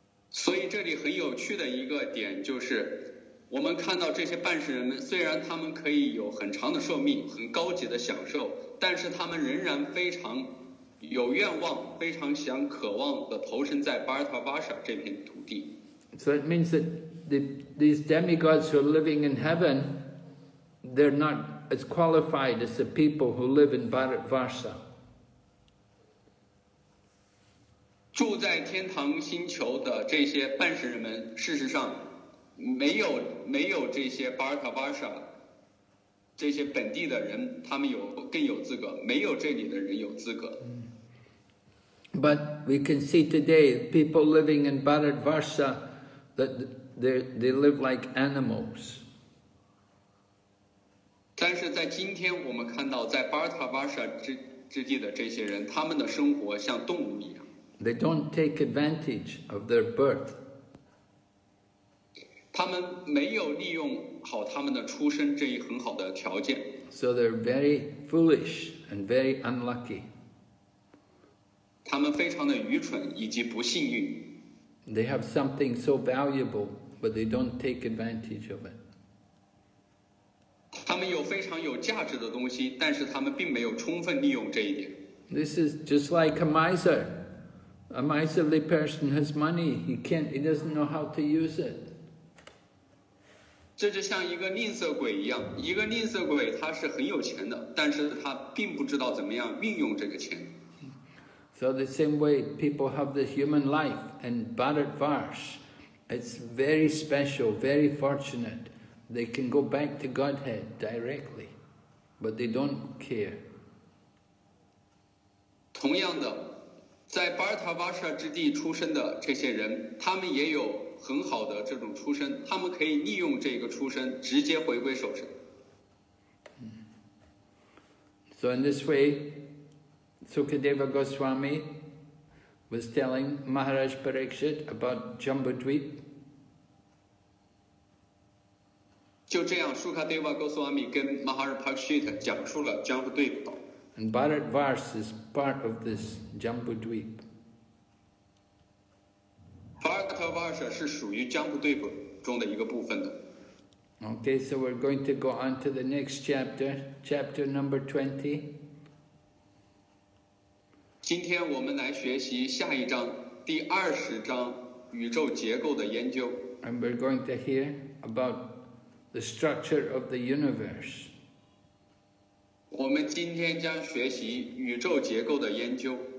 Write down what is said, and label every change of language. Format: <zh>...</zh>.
<zh>所以这里很有趣的一个点就是，我们看到这些半世人们，虽然他们可以有很长的寿命，很高级的享受，但是他们仍然非常有愿望，非常想渴望的投身在 Bharatvarsha 这片土地。</zh> <en>So it means that these demigods who are living in heaven, they're not. As qualified as the people who live in Bharatvarsha.</en> <zh>住在天堂星球的这些半世人们，事实上没有这些 Bharatvarsha 这些本地的人，他们有更有资格，没有这里的人有资格。</zh> <en>But we can see today people living in Bharatvarsha that they live like animals.</en> <zh>但是在今天我们看到在 Bharatvarsha 之地的这些人他们的生活像动物一样。</zh> <en>They don't take advantage of their birth.</en> <zh>他们没有利用好他们的出生这一很好的条件。</zh> <en>So they're very foolish and very unlucky.</en> <zh>他们非常的愚蠢以及不幸运。</zh> <en>They have something so valuable, but they don't take advantage of it.</en> <zh>他们有非常有价值的东西，但是他们并没有充分利用这一点。</zh> <en>This is just like a miser. A miserly person has money. He doesn't know how to use it.</en> <zh>这就像一个吝啬鬼一样，一个吝啬鬼他是很有钱的，但是他并不知道怎么样运用这个钱。</zh> <en>So the same way people have this human life in Bharatvarsha, it's very special, very fortunate. They can go back to Godhead directly, but they don't care.</en> <zh>同样的，在 Bharatvarsha 之地出生的这些人，他们也有很好的这种出身，他们可以利用这个出身直接回归受身。</zh> <en>So in this way, Sukadeva Goswami was telling Maharaj Parikshit about Jambudvip.</en> <zh>就这样 Sukadeva Goswami 跟 Maharaj Parikshit 讲述了 Jambudvip 岛。</zh> <en>And Bharatvarsha is part of this Jambudvip.</en> <zh>Bharatvarsha 是属于 Jambudvip 中的一个部分的。</zh> <en>Okay, so we're going to go on to the next chapter, chapter number 20.</en> <zh>今天我们来学习下一章第二十章宇宙结构的研究。</zh> <en>And we're going to hear about... The structure of the universe.</en> <zh>我们今天将学习宇宙结构的研究。</zh>